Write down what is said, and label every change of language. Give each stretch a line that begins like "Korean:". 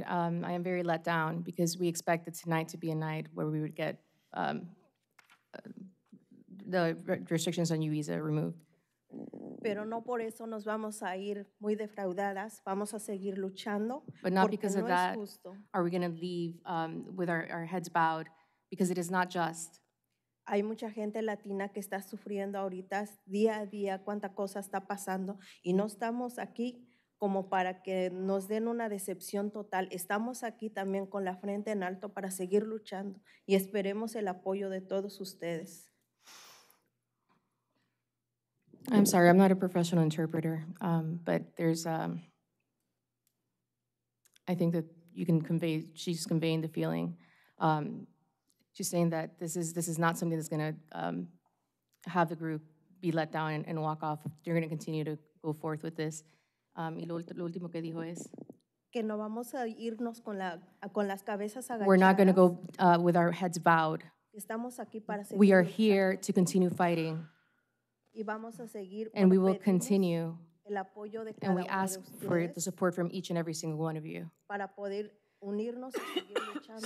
English: I am very let down because we expected tonight to be a night where we would get the restrictions on U-Visa removed.
Spanish: Pero no por eso nos vamos a ir muy defraudadas. Vamos a seguir luchando.
English: But not because of that are we going to leave with our heads bowed, because it is not just.
Spanish: Hay mucha gente latina que está sufriendo ahorita día a día cuánta cosa está pasando y no estamos aquí como para que nos den una decepción total. Estamos aquí también con la frente en alto para seguir luchando y esperemos el apoyo de todos ustedes.
English: I'm sorry, I'm not a professional interpreter, but there's I think that you can convey, she's conveying the feeling. She's saying that this is not something that's gonna have the group be let down and walk off. They're gonna continue to go forth with this.
Spanish: Y lo último que dijo es que no vamos a irnos con las cabezas agachadas.
English: We're not gonna go with our heads bowed.
Spanish: Estamos aquí para seguir.
English: We are here to continue fighting.
Spanish: Y vamos a seguir.
English: And we will continue.
Spanish: El apoyo de cada
English: and we ask for the support from each and every single one of you.
Spanish: Para poder unirnos y seguir luchando